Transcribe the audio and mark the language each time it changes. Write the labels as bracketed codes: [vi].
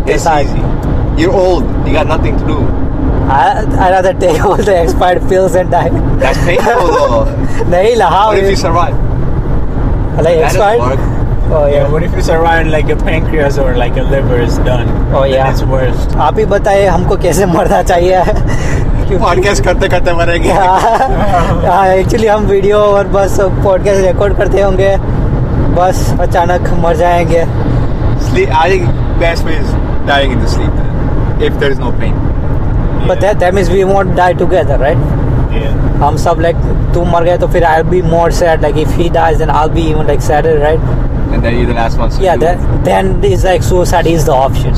[en] It's easy. You're old. You got nothing to do. I'd rather take all the expired pills and die. That's painful, though. No, how? What if you survive? Like, expired? Oh yeah. What if you survive and like your pancreas or like your liver is done? Oh yeah. It's worst. [hi] आप ही बताएं हमको कैसे मरना चाहिए. Podcast करते करते मरेंगे. हाँ, एक्चुअली हम वीडियो और बस पॉडकास्ट रिकॉर्ड करते होंगे, बस अचानक मर जाएंगे. [en] Sleep. I think best way is dying in the sleep if there is no pain. Yeah. But that means we won't die together, right? Yeah. [hi] हम सब like तू मर गया तो फिर [en] I'll be more sad. Like if he dies, then I'll be even like sadder, right? And then you're the last one. So yeah, then it's like suicide is the option.